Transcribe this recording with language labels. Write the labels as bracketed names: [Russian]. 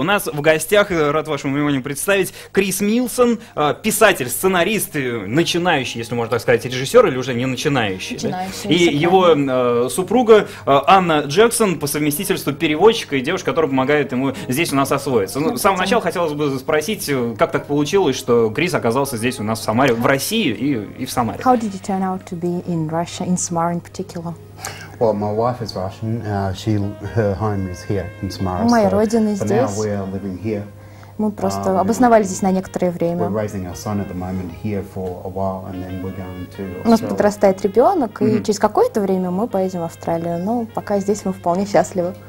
[Russian] У нас в гостях, рад вашему вниманию представить, Крис Милсон, писатель, сценарист, начинающий, если можно так сказать, режиссер, или уже не начинающий. Начинающий. И его супруга Анна Джексон, по совместительству переводчика и девушка, которая помогает ему здесь у нас освоиться. Ну, с самого начала хотелось бы спросить, как так получилось, что Крис оказался здесь у нас в Самаре, в России и в Самаре. [English] How did you turn out to be in Russia, in Samara in particular? Well, my wife is Russian. Her home is here in Samara. [Russian] Моя родина здесь. [English] For now, we are living here. [Russian] Мы просто обосновались здесь на некоторое время. [English] We're raising our son at the moment here for a while, and then we're going to. [Russian] У нас подрастает ребенок, и через какое-то время мы поедем в Австралию. Но пока здесь мы вполне счастливы.